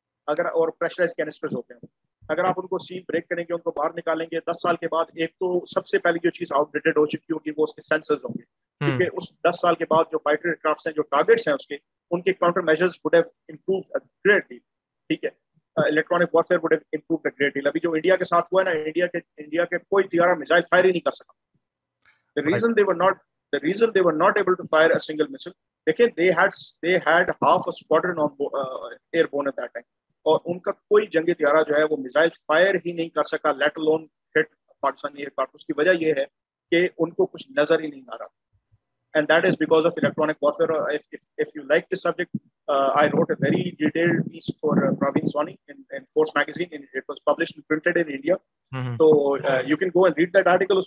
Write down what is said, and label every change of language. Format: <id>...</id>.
<ur>اگر, اور پریشرائز کینسٹرز ہوتے ہیں, اگر آپ ان کو سیل بریک کریں گے, ان کو باہر نکالیں گے 10 سال کے بعد, ایک تو سب سے پہلے جو چیز آؤٹ ڈیٹڈ ہو چکی ہوگی وہ اس کے سینسرز ہوں گے, کیونکہ اس 10 سال کے بعد جو فائٹر کرافٹس ہیں, جو ٹارگیٹس ہیں اس کے, ان کے counter measures</ur> <en>Would have improve greatly.</en> <ur>ٹھیک ہے, electronic warfare</ur> <en>Would have improve greatly.</en> <ur>ابھی جو انڈیا کے ساتھ ہوا ہے نا, انڈیا کے کوئی طیارہ میزائل فائر ہی نہیں کر سکا.</ur> <en>The reason they were not able to fire a single missile, دیکھیں, they had half a squadron on airborne at that time.</en> <ur>اور ان کا کوئی جنگی طیارہ جو ہے وہ میزائل فائر ہی نہیں کر سکا,</ur> <en>Let alone hit Pakistani aircraft.</en> <ur>اس کی وجہ یہ ہے کہ ان کو کچھ نظر ہی نہیں آ رہا,</ur> <en>And that is because of electronic warfare. If you like this subject, I wrote a very detailed piece for Pravin Sawhney in Force magazine, it was published and printed in India, تو you can go and read that article.</en>